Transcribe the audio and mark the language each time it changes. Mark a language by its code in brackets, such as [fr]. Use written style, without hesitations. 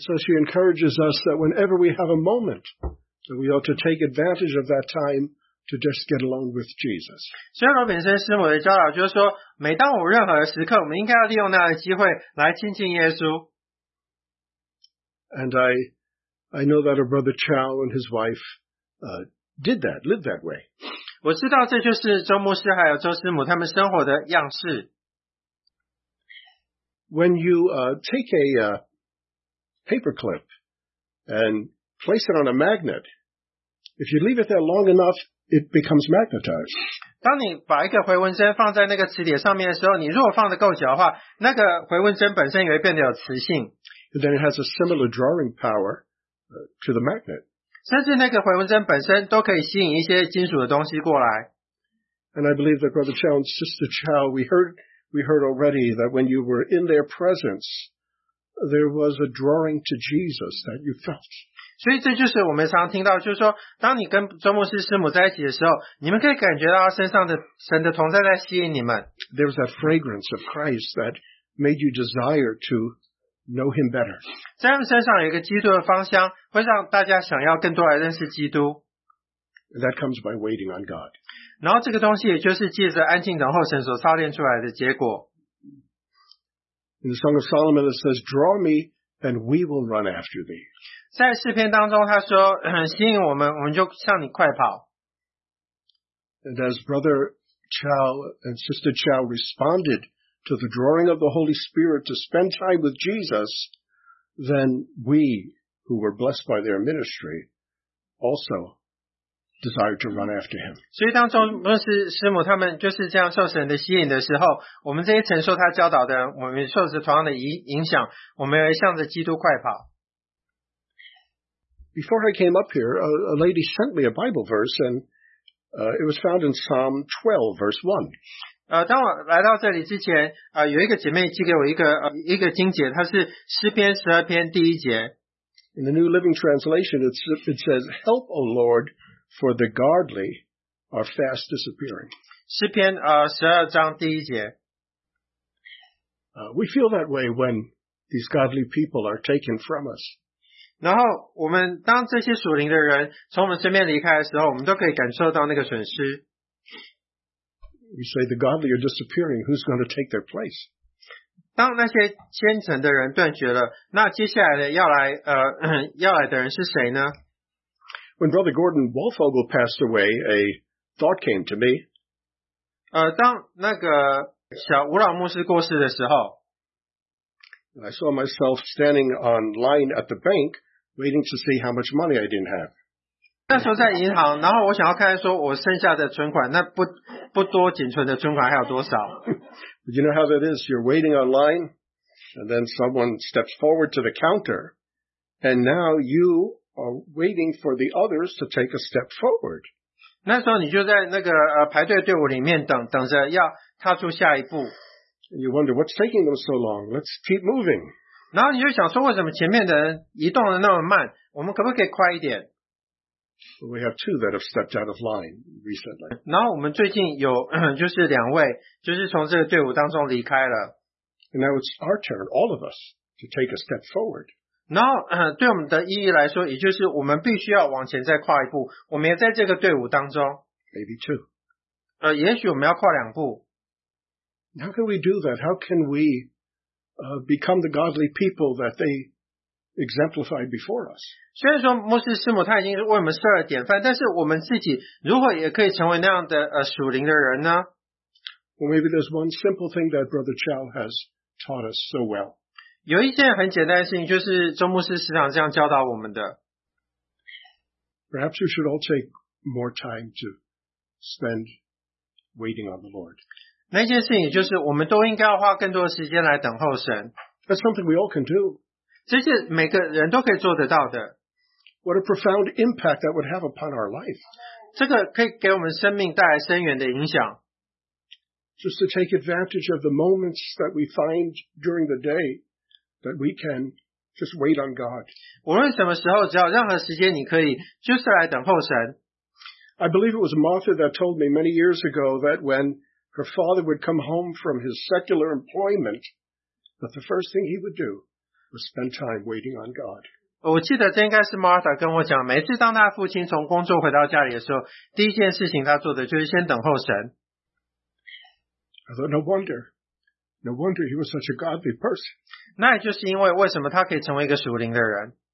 [en] so she encourages us that whenever we have a moment, that we ought to take advantage of that time to just get along with Jesus. [zh] 所以罗炳森师母的教导就是说，每当我任何时刻，我们应该要利用那个机会来亲近耶稣。 [en] And I know that her brother Chow and his wife did that, lived that way. [zh] 我知道这就是周牧师还有周师母他们生活的样式。 [en] When you take a paperclip and place it on a magnet, if you leave it there long enough, it becomes magnetized. [zh] 当你把一个回纹针放在那个磁铁上面的时候，你如果放得够久的话，那个回纹针本身也会变得有磁性。 [en] Then it has a similar drawing power to the magnet. [zh] 甚至那个回纹针本身都可以吸引一些金属的东西过来。 [en] And I believe that Brother Chow and Sister Chow, we heard we heard already that when you were in their presence, there was a drawing to Jesus that you felt. [zh] 所以这就是我们常听到，就是说，当你跟周牧师师母在一起的时候，你们可以感觉到身上的神的同在在吸引你们。 [en] There was that fragrance of Christ that made you desire to know Him better. [zh] 在他们身上有一个基督的芳香，会让大家想要更多来认识基督。 [en] That comes by waiting on God. [zh] 然后这个东西也就是借着安静等候神所操练出来的结果。 [en] In the Song of Solomon, it says, "Draw me, and we will run after thee." [zh] 在诗篇当中，他说，吸引我们，我们就向你快跑。 [en] And as Brother Chow and Sister Chow responded to the drawing of the Holy Spirit to spend time with Jesus, then we, who were blessed by their ministry, also desired to run after Him. [zh] 所以当中，牧师师母他们就是这样受神的吸引的时候，我们这些承受他教导的人，我们受着同样的影响，我们也向着基督快跑。 [en] Before I came up here, a lady sent me a Bible verse, and it was found in Psalm 12, verse 1. [zh] 当我来到这里之前，有一个姐妹寄给我一个经节，它是诗篇十二篇第一节。 [en] In the New Living Translation, it says, "Help, O Lord, for the godly are fast disappearing." [zh] 诗篇十二章第一节。 [en] We feel that way when these godly people are taken from us. [zh] 然后我们当这些属灵的人从我们身边离开的时候，我们都可以感受到那个损失。 [en] You say the godly are disappearing. Who's going to take their place? [zh] 当那些虔诚的人断绝了，那接下来的要来的人是谁呢？ [en] When Brother Gordon Wolfogel passed away, a thought came to me. [zh] 当那个小吴老牧师过世的时候。 [en] And I saw myself standing on line at the bank, waiting to see how much money I didn't have. [zh] 那时候在银行，然后我想要看说我剩下的存款，那不多仅存的存款还有多少。 [en] But you know how that is, you're waiting on line, and then someone steps forward to the counter, and now you are waiting for the others to take a step forward. [zh] 那时候你就在那个排队队伍里面等着要踏出下一步。 [en] You wonder what's taking them so long. Let's keep moving. [zh] 然后你就想说，为什么前面的人移动的那么慢？我们可不可以快一点 [en] ？We have two that have stepped out of line recently. [zh] 然后我们最近有就是两位，就是从这个队伍当中离开了。 [en] And now it's our turn, all of us, to take a step forward. [zh] 然后对我们的意义来说，也就是我们必须要往前再跨一步。我们也在这个队伍当中。 [en] Maybe two. [zh] 也许我们要跨两步。 [en] How can we do that? How can we become the godly people that they exemplified before us? [zh] 虽然说牧师师母他已经为我们设了典范，但是我们自己如何也可以成为那样的属灵的人呢？ [en] Well, maybe there's one simple thing that Brother Chow has taught us so well. [zh] 有一件很简单的事情，就是周牧师时常这样教导我们的。 [en] Perhaps we should all take more time to spend waiting on the Lord. [zh] 那件事情就是我们都应该要花更多的时间来等候神。 [en] That's something we all can do. [zh] 这是每个人都可以做得到的。 [en] What a profound impact that would have upon our life. [zh] 这个可以给我们生命带来深远的影响。 [en] Just to take advantage of the moments that we find during the day that we can just wait on God. [zh] 无论什么时候，只要任何时间你可以就是来等候神。 [en] I believe it was Martha that told me many years ago that whenHer father would come home from his secular employment, but the first thing he would do was spend time waiting on God. [zh] 我记得这应该是 Martha 跟我讲，每次当他父亲从工作回到家里的时候，第一件事情他做的就是先等候神。 [en] I thought, no wonder he was such a godly person. [zh] 那也就是因为什么他可以成为一个属灵的人。